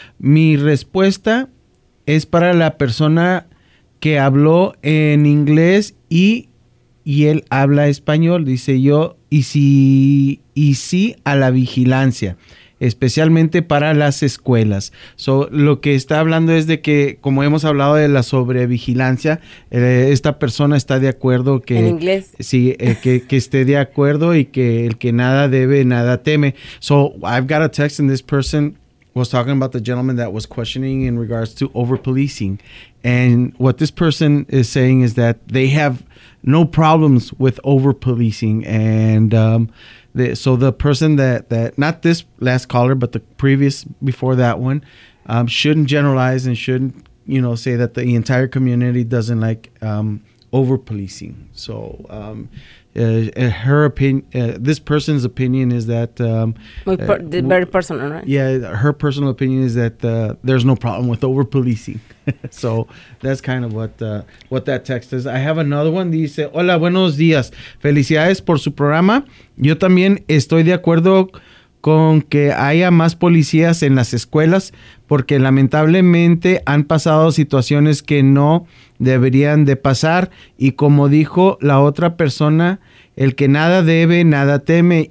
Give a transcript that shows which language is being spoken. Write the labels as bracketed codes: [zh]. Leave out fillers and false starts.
[es] Mi respuesta es para la persona que habló en inglés y él habla español, dice yo, y sí a la vigilancia, especialmente para las escuelas. So, lo que está hablando es de que, como hemos hablado de la sobrevigilancia, esta persona está de acuerdo que... ¿En inglés? Sí, que esté de acuerdo y que el que nada debe, nada teme. [en] So, I've got a text and this person was talking about the gentleman that was questioning in regards to over-policing. And what this person is saying is that they have no problems with over-policing. And so the person that not this last caller, but the previous before that one, shouldn't generalize and shouldn't, you know, say that the entire community doesn't like over-policing. So this person's opinion is that very personal, right? Yeah, her personal opinion is that there's no problem with over policing. So that's kind of what that text is. I have another one. [es] Dice, hola, buenos días, felicidades por su programa. Yo también estoy de acuerdo con que haya más policías en las escuelas, porque lamentablemente han pasado situaciones que no deberían de pasar. Y como dijo la otra persona, el que nada debe, nada teme.